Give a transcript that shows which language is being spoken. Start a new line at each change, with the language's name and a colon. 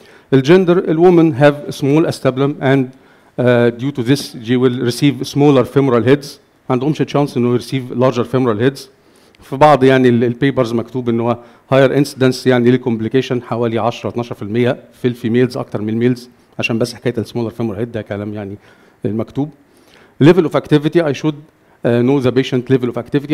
English: The gender, a woman have a small acetabulum and due to this she will receive smaller femoral heads.
Arabic: عندهمش
English: chance
Arabic: انه
English: يرسيف larger femoral heads.
Arabic: في بعض يعني البيبرز مكتوب انه
English: higher incidence
Arabic: يعني للكومبليكيشن حوالي 10-12% في الفيميلز اكتر من الميلز عشان بس حكايه السمولر femoral head ده كلام يعني المكتوب.
English: Level of activity I should know the patient level of activity.